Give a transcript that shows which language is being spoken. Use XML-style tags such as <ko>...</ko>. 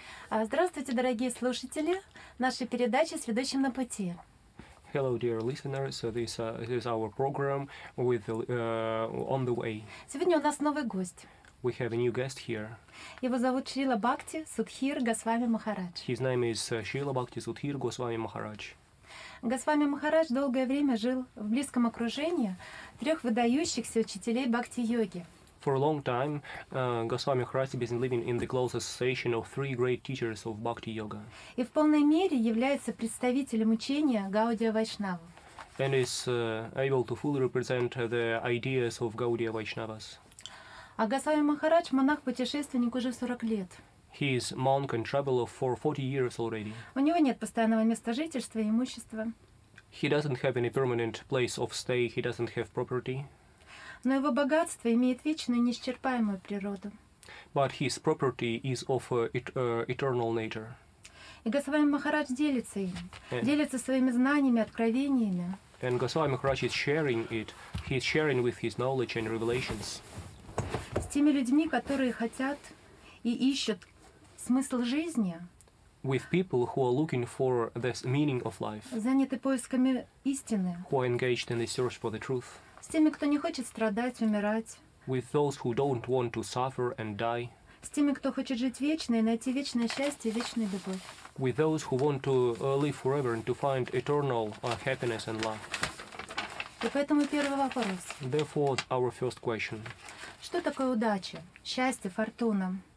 <ru>Здравствуйте, дорогие слушатели нашей передачи «С ведущим на пути».</ru> <en>Hello, dear listeners. So this is our program with on the way.</en> <ru>Сегодня у нас новый гость.</ru> <en>We have a new guest here.</en> <ru>Его зовут Шрила Бхакти Судхир Госвами Махарадж.</ru> <en>His name is Шрила Бхакти Судхир Госвами Махарадж.</en> <ru>Госвами Махарадж долгое время жил в близком окружении трех выдающихся учителей бхакти-йоги.</ru> <en>For a long time, Госвами Махарадж has been living in the close association of three great teachers of bhakti yoga.</en> <ru>И в полной мере является представителем учения Гаудия Вайшнава.</ru> <en>And is able to fully represent the ideas of Gaudiya Vaishnavas.</en> <ru>А Госвами Махарадж монах-путешественник уже 40 лет.</ru> <en>He is monk and traveler for 40 years already.</en> <ru>У него нет постоянного места жительства и имущества.</ru> <en>He doesn't have any permanent place of stay, he doesn't have property.</en> <ru>Но его богатство имеет вечную, неисчерпаемую природу.</ru> <en>But his property is of eternal nature.</en> <ru>И Госвами Махарадж делится им, делится своими знаниями, откровениями.</ru> <en>And Госвами Махарадж is sharing it, he's sharing with his knowledge and revelations.</en> <ru>С теми людьми, которые хотят и ищут смысл жизни.</ru> <en>With people who are looking for the meaning of life.</en> <ru>Заняты поисками истины.</ru> <en>Who are engaged in the search for the truth.</en> <ru>С теми, кто не хочет страдать, умирать.</ru> <en>With those who don't want to suffer and die.</en> <ru>С теми, кто хочет жить вечно и найти вечное счастье и вечную любовь.</ru> <en>With those who want to live forever and to find eternal happiness and love.</en> <ru>И поэтому первый вопрос.</ru> <en>Therefore, our first question.</en> <ru>Что такое удача, счастье, фортуна?</ru>